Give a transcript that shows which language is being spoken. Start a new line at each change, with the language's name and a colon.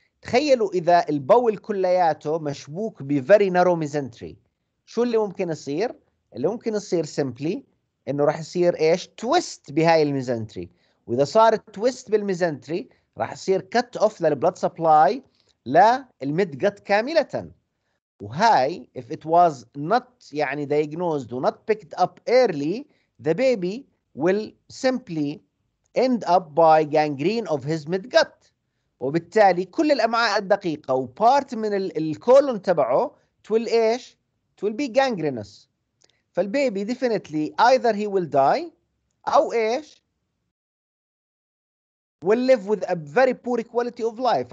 Arabic: تخيلوا إذا البول كلياته مشبوك بفري نارو ميزنتري، شو اللي ممكن يصير؟ اللي ممكن يصير سيمبلي إنه راح يصير إيش؟ تويست بهاي الميزنتري، وإذا صار تويست بالميزنتري راح يصير كت أوف للبلد سبلاي للميد جت كاملة. وهاي
English: if it was not
Arabic: يعني
English: diagnosed or not picked up early the baby will simply end up by gangrene of his midgut.
Arabic: وبالتالي كل الأمعاء الدقيقة وبارت من الكولون تبعه تول إيش؟ تول بي gangrenous.
English: فالبيبي definitely either he will die
Arabic: أو إيش؟
English: will live with a very poor quality of life.